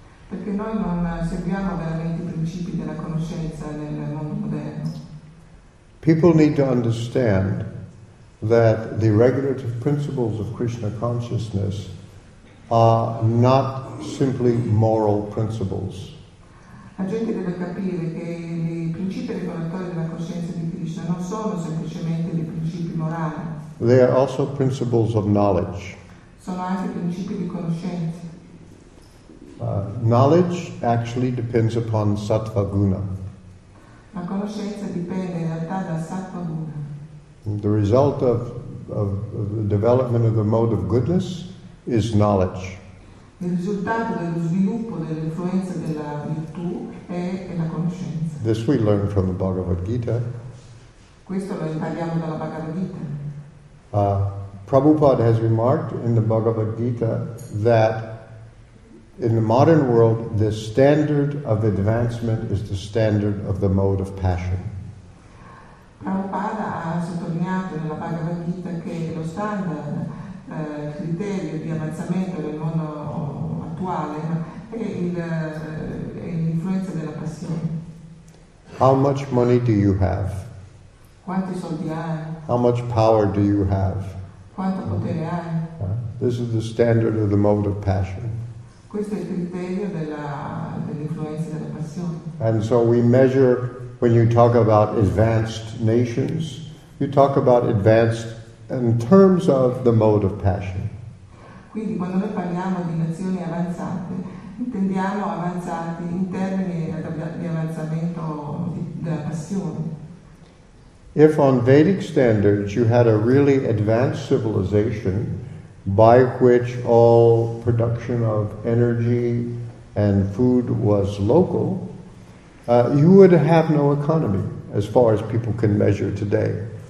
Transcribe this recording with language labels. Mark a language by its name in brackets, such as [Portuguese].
[Italian] Perché noi non seguiamo veramente i principi della conoscenza nel mondo moderno. [English] People need to understand that the regulative principles of Krishna consciousness are not simply moral principles. [Italian] La gente deve capire che i principi regolatori della coscienza di Krishna non sono semplicemente dei principi morali. [English] They are also principles of knowledge. [Italian] Sono anche principi di conoscenza. [English] Knowledge actually depends upon sattva guna. [Italian] La conoscenza dipende in realtà da sattva guna. [English] The result of the development of the mode of goodness is knowledge. [Italian] Il risultato dello sviluppo dell'influenza della virtù è la conoscenza. [English] This we learn from the Bhagavad Gita. [Italian] Questo lo impariamo dalla Bhagavad Gita. [English] Prabhupada has remarked in the Bhagavad Gita that in the modern world, the standard of advancement is the standard of the mode of passion. [Italian] Prabhupada ha sottolineato nella Bhagavad Gita che lo standard, criterio di avanzamento del mondo attuale è l'influenza della passione. [English] How much money do you have? [Italian] Quanti soldi hai? [English] How much power do you have? [Italian] Quanto potere hai? [English] This is the standard of the mode of passion. [Italian] Questo è il criterio dell'influenza della passione. [English] And so we measure, when you talk about advanced nations, you talk about advanced in terms of the mode of passion. [Italian] Quindi quando noi parliamo di nazioni avanzate, intendiamo avanzati in termini di avanzamento della passione. [English] If on Vedic standards you had a really advanced civilization, by which all production of energy and food was local, you would have no economy, as far as people can measure today.